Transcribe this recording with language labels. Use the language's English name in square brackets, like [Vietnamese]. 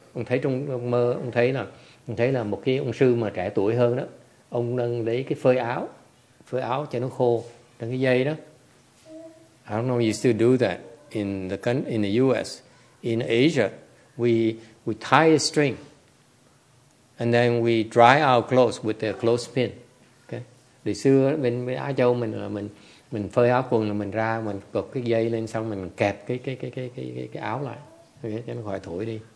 [Vietnamese] Ông thấy trong mơ, ông thấy là một cái ông sư mà trẻ tuổi hơn đó, ông đang lấy cái phơi áo cho nó khô trong cái dây đó. [English] I don't know if you still do that in the US. In Asia, we tie a string, and then we dry our clothes with a clothespin. [Vietnamese] Okay, từ xưa bên Á Châu mình phơi áo quần rồi mình ra mình cột cái dây lên xong mình kẹp cái áo lại, okay, cho nó khỏi thổi đi.